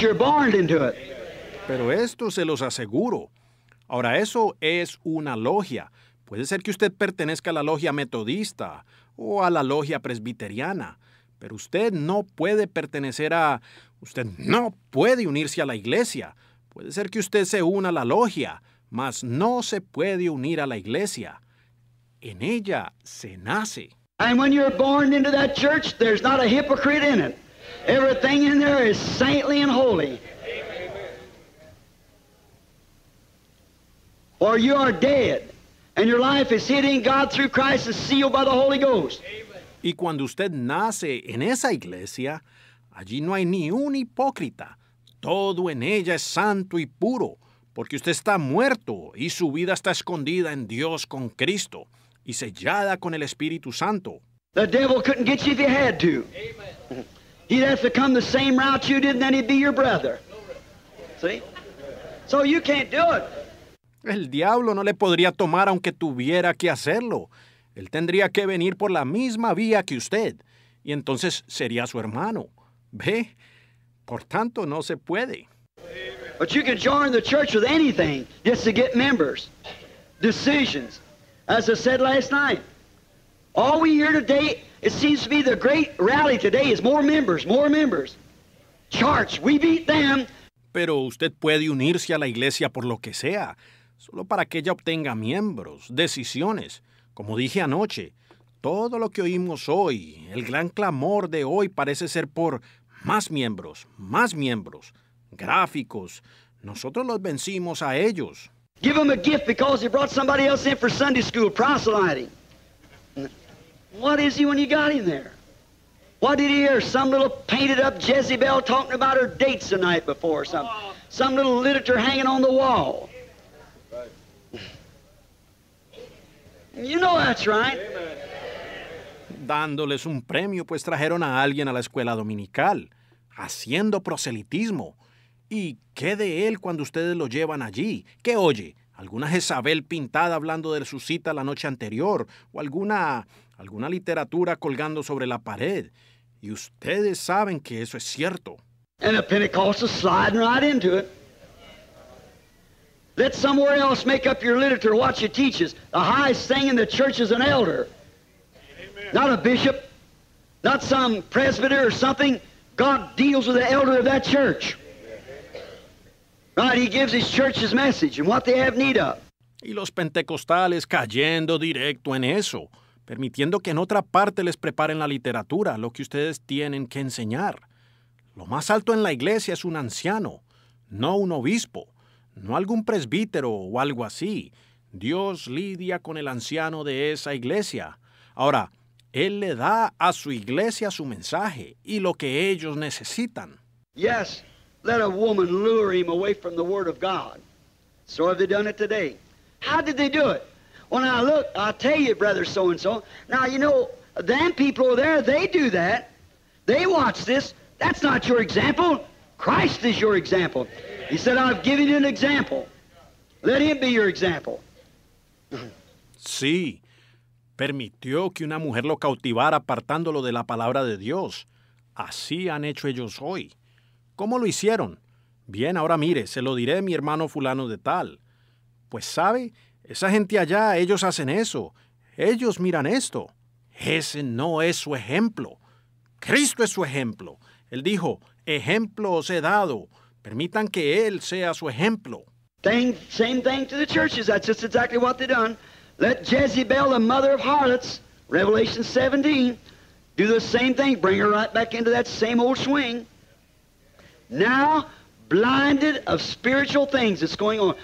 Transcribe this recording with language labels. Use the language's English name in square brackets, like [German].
[English] You're born into it. [Spanish] Pero esto se los aseguro. Ahora, eso es una logia. Puede ser que usted pertenezca a la logia metodista o a la logia presbiteriana, pero usted no puede pertenecer a... Usted no puede unirse a la iglesia. Puede ser que usted se una a la logia, mas no se puede unir a la iglesia. En ella se nace. [English] And when you're born into that church, there's not a hypocrite in it. Everything in there is saintly and holy. Or you are dead, and your life is hidden God through Christ and sealed by the Holy Ghost. [Spanish] Y cuando usted nace en esa iglesia, allí no hay ni un hipócrita. Todo en ella es santo y puro, porque usted está muerto y su vida está escondida en Dios con Cristo y sellada con el Espíritu Santo. [English] The devil couldn't get you if he had to. He'd have to come the same route you did, and then he'd be your brother. See? So you can't do it. [Spanish] El diablo no le podría tomar aunque tuviera que hacerlo. Él tendría que venir por la misma vía que usted, y entonces sería su hermano. ¿Ve? Por tanto, no se puede. [English] But you can join the church with anything just to get members. Decisions. As I said last night, all we hear today, it seems to be the great rally today is more members, more members. Charts, we beat them. [Spanish] Pero usted puede unirse a la iglesia por lo que sea, solo para que ella obtenga miembros, decisiones. Como dije anoche, todo lo que oímos hoy, el gran clamor de hoy parece ser por más miembros, gráficos. Nosotros los vencimos a ellos. [English] Give them a gift because he brought somebody else in for Sunday school, proselyting. What is he when you got him there? What did he hear? Some little painted up Jezebel talking about her dates the night before. Some little literature hanging on the wall. You know that's right. [Spanish] Dándoles un premio, pues trajeron a alguien a la escuela dominical, haciendo proselitismo. ¿Y qué de él cuando ustedes lo llevan allí? ¿Qué oye? ¿Alguna Jezabel pintada hablando de su cita la noche anterior? ¿O alguna literatura colgando sobre la pared? Y ustedes saben que eso es cierto. [English] And the Pentecostals sliding right into it. Let somewhere else make up your literature, what you teach us. The highest thing in the church is an elder. Amen. Not a bishop. Not some presbyter or something. God deals with the elder of that church. Amen. Right, he gives his church his message and what they have need of. [Spanish] Y los pentecostales cayendo directo en eso, permitiendo que en otra parte les preparen la literatura, lo que ustedes tienen que enseñar. Lo más alto en la iglesia es un anciano, no un obispo. No algún presbítero o algo así. Dios lidia con el anciano de esa iglesia. Ahora, él le da a su iglesia su mensaje y lo que ellos necesitan. [English] Yes, let a woman lure him away from the word of God. So have they done it today. How did they do it? Well, now look, I'll tell you, brother so-and-so. Now, you know, them people over there, they do that. They watch this. That's not your example. Christ is your example. He said, I've given you an example. Let him be your example. [Spanish] Sí, permitió que una mujer lo cautivara apartándolo de la palabra de Dios. Así han hecho ellos hoy. ¿Cómo lo hicieron? Bien, ahora mire, se lo diré a mi hermano fulano de tal. Pues sabe, esa gente allá, ellos hacen eso. Ellos miran esto. Ese no es su ejemplo. Cristo es su ejemplo. Él dijo, ejemplo os he dado. Permitan que él sea su ejemplo. [English] Same thing to the churches. That's just exactly what they've done. Let Jezebel, the mother of harlots, Revelation 17, do the same thing. Bring her right back into that same old swing. Now, blinded of spiritual things that's going on.